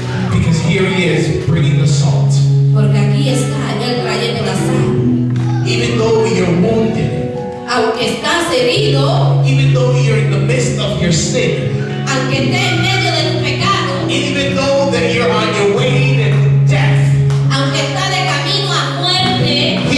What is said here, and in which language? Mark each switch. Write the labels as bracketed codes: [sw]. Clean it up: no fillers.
[en] Because here he is bringing the salt. [es] Porque aquí está él trayendo la sal. [en] Even though you're wounded. [es] Aunque estás herido. [en] Even though you're in the midst of your sin. [es] Aunque estés en medio de tu pecado. [en] Even though that you're on your way to death. [es] Aunque estás de camino a muerte.